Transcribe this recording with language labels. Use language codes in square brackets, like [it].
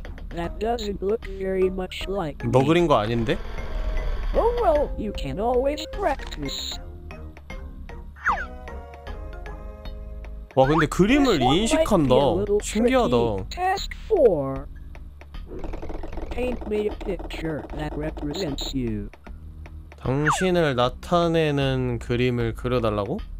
[en] That doesn't look very much like [ko] 너 그린 거 아닌데? [en] Oh well, you can always practice. [ko] 와, 근데 그림을 인식한다. 신기하다. [en] Task 4. Paint me a picture that represents you. [ko] 당신을 나타내는 그림을 그려달라고?